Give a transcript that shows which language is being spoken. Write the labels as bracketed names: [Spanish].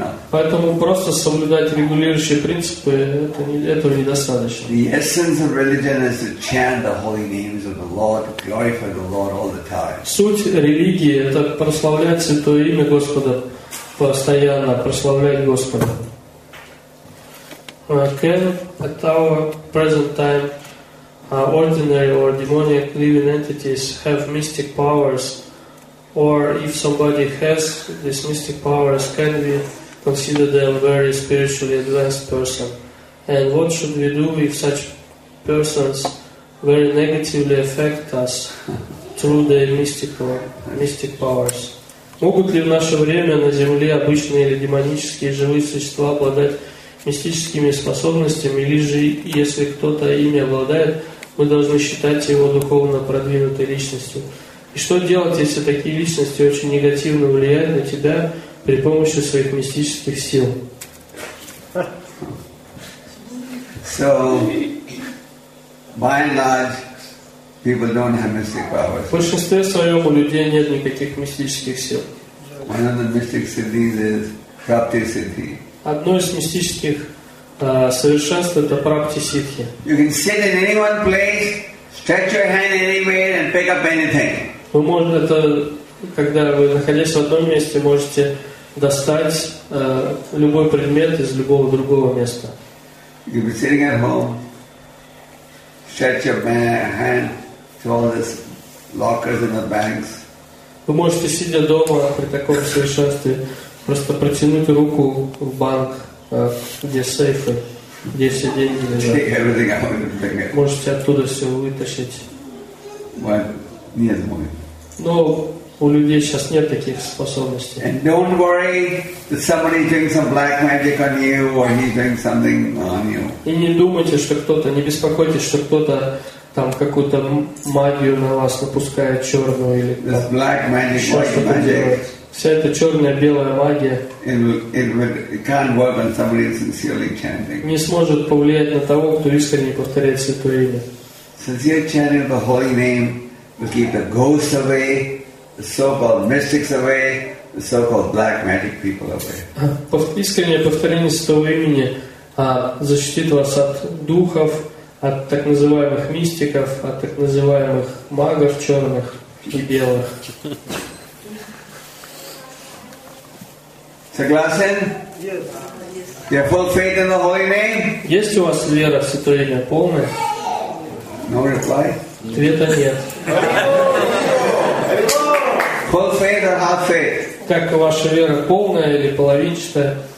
[Russian] Поэтому просто соблюдать регулирующие принципы этого недостаточно. [English] The essence of religion is to chant the holy names of the Lord, to glorify the Lord all the time. [Russian] Суть религии — это прославлять святое имя Господа постоянно, прославлять Господа. [English] Can at our present time ordinary or demonic living entities have mystic powers, or if somebody has these mystic powers, can we consider them very spiritually advanced person? And what should we do if such persons very negatively affect us through their mystic powers? [Russian] Могут ли в наше время на Земле обычные или демонические живые существа обладать мистическими способностями, или же, если кто-то ими обладает, мы должны считать его духовно продвинутой личностью? И что делать, если такие личности очень негативно влияют на тебя при помощи своих мистических сил? [English] So, by and large, people don't have mystic powers. [Russian] В большинстве своем у людей нет никаких мистических сил. [English] One of the mystic siddhis is prapti siddhi. [Russian] Одно из мистических совершенств — это прапти ситхи. [English] You can sit in any one place, stretch your hand anywhere and pick up anything. [Russian] Вы можете, это, когда вы находясь в одном месте, можете достать любой предмет из любого другого места. [English] You can be sitting at home, stretch your hand to all these lockers in the banks. [Russian] Вы можете, сидя дома, при таком совершенстве просто протянуть руку в банк, где сейфы, где все деньги лежат. Можете оттуда все вытащить. Нет, мой. Но У людей сейчас нет таких способностей. [English] And don't worry that somebody is doing some black magic on you or he's doing something on you. [Russian] И не думайте, что кто-то, не беспокойтесь, что кто-то там какую-то магию на вас напускает черную или [English] this black magic, white magic. [Russian] Вся эта черная белая магия [English] it can't work on somebody sincerely chanting. [Russian] Не сможет повлиять на того, кто искренне повторяет святое имя. [English] Sincere chanting of the holy name will keep the ghosts away, the so-called mystics away, the so-called black magic people away. [Russian] Искреннее повторение святого имени защитит вас от духов, от так называемых мистиков, от так называемых магов черных и белых. Согласен? [English] Yes. You have full faith in the holy name? [Russian] Есть у вас вера в святое имя полная? [English] No reply. [Russian] Ответа нет. [English] Full faith or half faith? [Russian] Как ваша вера полная или половинчатая?